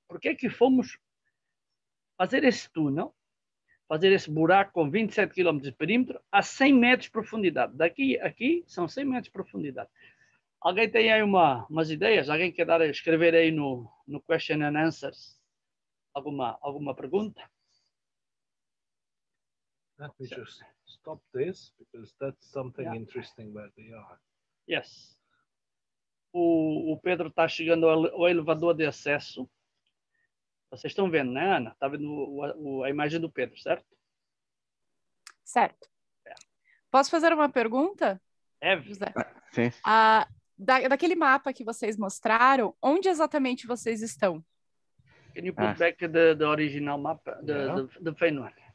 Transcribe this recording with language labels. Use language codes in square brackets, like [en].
[pt] Por que é que fomos fazer esse túnel, fazer esse buraco com 27 km de perímetro a 100 metros de profundidade? Daqui aqui são 100 metros de profundidade. Alguém tem aí umas ideias? Alguém quer escrever aí no question and answers alguma pergunta? [en] Let me just stop this, because that's something interesting where they are. Yes. [pt] O Pedro está chegando ao elevador de acesso. Vocês estão vendo, né, Ana? Está vendo a imagem do Pedro, certo? Certo. É. Posso fazer uma pergunta? É, José. Sim. Daquele mapa que vocês mostraram, onde exatamente vocês estão? [en] Can you put back the original map, the first one?